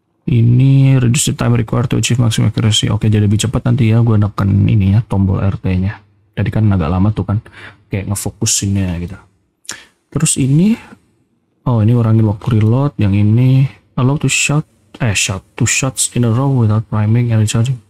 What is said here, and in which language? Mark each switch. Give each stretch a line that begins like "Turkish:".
English: Ini reduce the time required to achieve maximum accuracy.
Indonesian: Oke, jadi lebih cepat nanti ya. Gue neken ini ya, tombol RT-nya. Jadi kan agak lama tuh kan. Kayak ngefokusinnya gitu. Terus ini. Oh ini ngurangin waktu reload.
English: Yang ini. Allow to shot. Shot. Two shots in a row without priming and recharging.